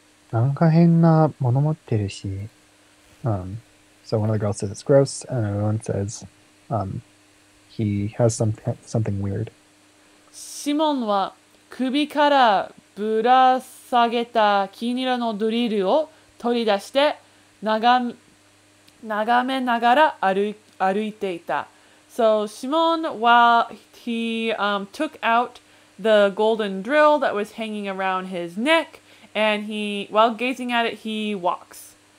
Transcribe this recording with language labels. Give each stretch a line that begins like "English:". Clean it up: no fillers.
Japanese: なんか変なもの持ってるし。
English: So one of the girls says it's gross, and another one says, he has something weird.
Japanese: シモンは首からぶら下げた金色のドリルを取り出して眺めながら歩いていた。
English: So Shimon, while he, took out the golden drill that was hanging around his neck,And he, while gazing at it, he walks.